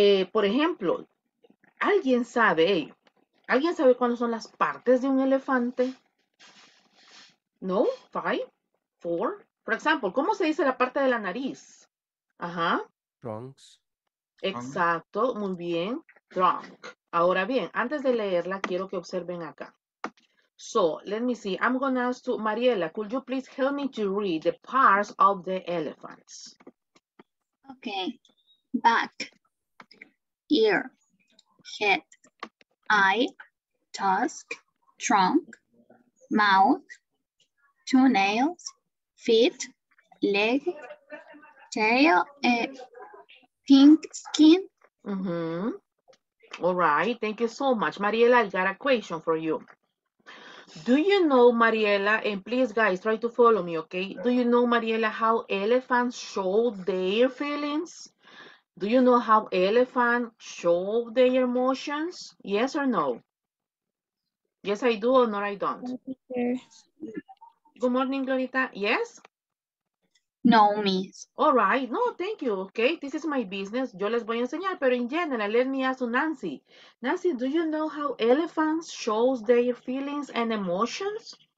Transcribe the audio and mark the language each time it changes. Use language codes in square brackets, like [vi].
[es] Por ejemplo, ¿alguien sabe cuáles son las partes de un elefante? ¿No? [en] ¿Five? ¿Four? [es] Por ejemplo, ¿cómo se dice la parte de la nariz? Ajá. [en] Trunks. [es] Exacto, muy bien. Trunk. Ahora bien, antes de leerla, quiero que observen acá. [en] So, let me see. I'm going to ask to Mariela, could you please help me to read the parts of the elephants? Okay. Back, ear, head, eye, tusk, trunk, mouth, 2 nails, feet, leg, tail, pink skin. Mm-hmm. All right. Thank you so much. Mariela, I got a question for you. Do you know, Mariela, and please, guys, try to follow me, okay? Do you know, Mariela, how elephants show their feelings? Do you know how elephants show their emotions? Yes or no? Yes, I do, or no, I don't. Good morning, Glorita. Yes? No, miss. All right. No, thank you, okay? This is my business. [es] Yo les voy a enseñar, pero [en] in general, let me ask Nancy. Nancy, do you know how elephants show their feelings and emotions?